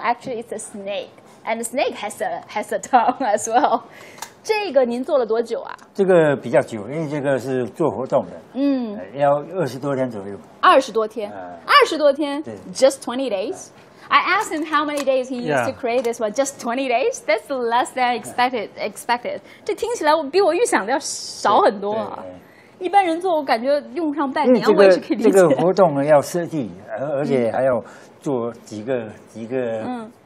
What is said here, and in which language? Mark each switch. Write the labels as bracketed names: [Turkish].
[English] Actually, it's a snake, and the snake has a tongue as well. [Chinese] 这个您做了多久啊？这个比较久，因为这个是做活动的。嗯，要20多天左右。20多天，20多天。对。 [English] Just 20 days. I asked him how many days he used to create this one. Just 20 days. That's less than expected. [Chinese] 这听起来我比我预想的要少很多啊。一般人做，我感觉用上半年我也是可以理解。这个活动要设计，而且还要做几个。嗯。